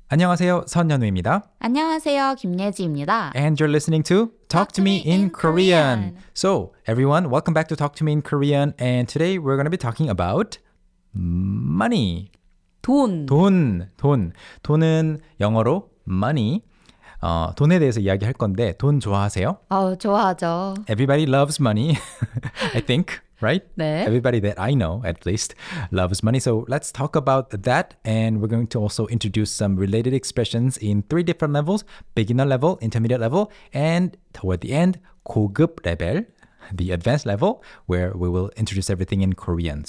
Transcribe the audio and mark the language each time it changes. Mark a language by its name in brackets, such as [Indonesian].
[Korean] 안녕하세요, 선연우입니다. 안녕하세요, 김예지입니다. [English] And you're listening to Talk to Me in Korean. So, everyone, welcome back to Talk to Me in Korean. And today we're going to be talking about money. [Korean] 돈. 돈. 돈. 돈은 영어로 money. 돈에 대해서 이야기할 건데 돈 좋아하세요? 좋아하죠. [English] Everybody loves money, I think. Right? [Korean] 네. [English] Everybody that I know, at least, loves money. So let's talk about that. And we're going to also introduce some related expressions in three different levels. Beginner level, intermediate level, and toward the end, 고급 레벨, the advanced level, where we will introduce everything in Korean.